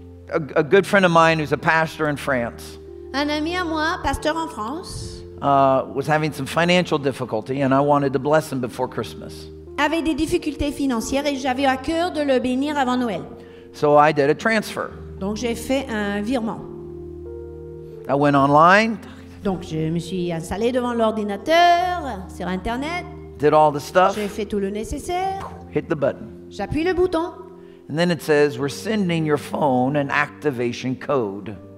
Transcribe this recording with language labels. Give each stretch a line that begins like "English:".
English: A good friend of mine who's a pastor in France.
French: Un ami à moi, pasteur en France.
English: Was having some financial difficulty, and I wanted to bless him before Christmas.
French: Avait des difficultés financières et j'avais à cœur de le bénir avant Noël.
English: So I did a transfer.
French: Donc j'ai fait un virement.
English: I went online.
French: Donc je me suis installé devant l'ordinateur, sur Internet.
English: Did all the stuff.
French: J'ai fait tout le nécessaire.
English: Hit the button.
French: J'appuie le bouton.
English: And then it says, we're sending your phone an activation code.